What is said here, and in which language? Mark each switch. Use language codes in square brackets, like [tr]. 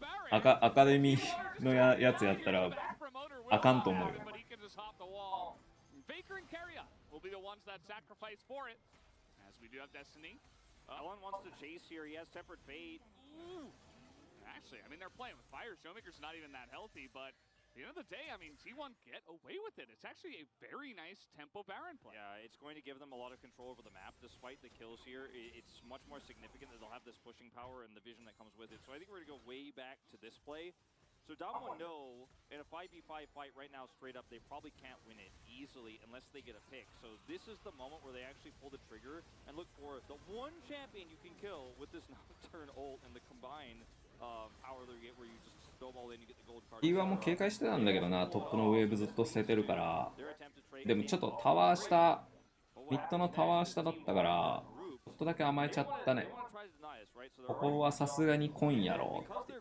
[ja] アカデミーの やつやったらあかんと思うよ。 [en] Faker and Karia will be the ones that sacrifice for it. As we do have Destiny. Alan wants to chase here. He has Tempered Fate. Actually, I mean, they're playing with fire. Showmaker's not even that healthy, but at the end of the day, I mean, T1 get away with it. It's actually a very nice tempo Baron play. Yeah, it's going to give them a lot of control over the map. Despite the kills here, it's much more significant that they'll have this pushing power and the vision that comes with it. So I think we're going to go way back to this play. So Damwon know in a 5v5 fight right now straight up, they probably can't win it easily unless they get a pick. So this is the moment where they actually pull the trigger and look for the one champion you can kill with this Nocturne ult and the combine power they get where you just... [ja] T1 も警戒してたんだけどな、トップのウェーブずっと捨ててるから。でもちょっとタワー下、ミッドのタワー下だったから、ちょっとだけ甘えちゃったね。ここはさすがにコインやろう。